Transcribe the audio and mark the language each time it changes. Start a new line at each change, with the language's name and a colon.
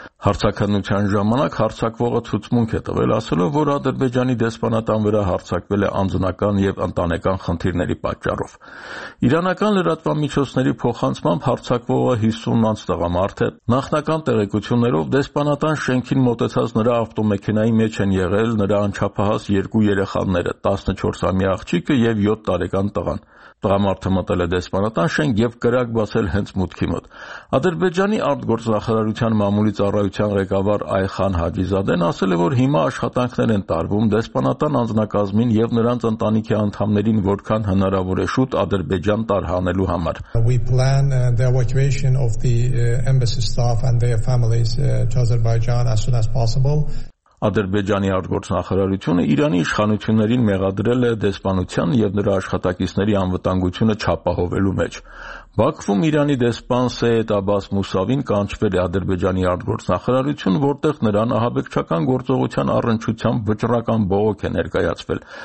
Armenian: Հարցականության ժամանակ հարցակվողը ցուցմունք է տվել, ասելով, որ Ադրբեջանի դեսպանատան վրա հարձակվել է անձնական և ընտանեկան խնդիրների պատճառով։ Իրանական լրատվամիջոցների փոխանցմամբ հարցակվողը 50+ տղամարդ է։ Նախնական տեղեկություններով դեսպանատան շենքին մոտեցած նրա ավտոմեքենայի մեջ են եղել նրա անչափահաս երկու երեխաները՝ 14-ամյա աղջիկը և 7-տարեկան տղան։ Տղամարդը մտել է դեսպանատան շենք և կրակ բացել հենց մուտքի մոտ։ Ադրբեջանի արտգործնախարարության մամուլի ծառայության ղեկավար Այխան Հաջիզադեն ասել է, որ հիմա աշխատանքներ են տարվում դեսպանատան անձնակազմին և նրանց ընտանիքի անդամներին որքան հնարավոր է շուտ Ադրբեջան տարհանելու համար։
English: We plan the evacuation of the embassy staff and their families to Azerbaijan as soon as possible.
Armenian: Ադրբեջանի արտգործնախարարությունը Իրանի իշխանություններին մեղադրել է դեսպանության և նրա աշխատակիցների անվտանգությունը չապահովելու մեջ։ Բաքվում Իրանի դեսպան Սեյդ Աբաս Մուսավին կանչվել է Ադրբեջանի արտգործնախարարություն, որտեղ նրան ահաբեկչական գործողության առնչությամբ վճռական բողոք է ներկայացվել։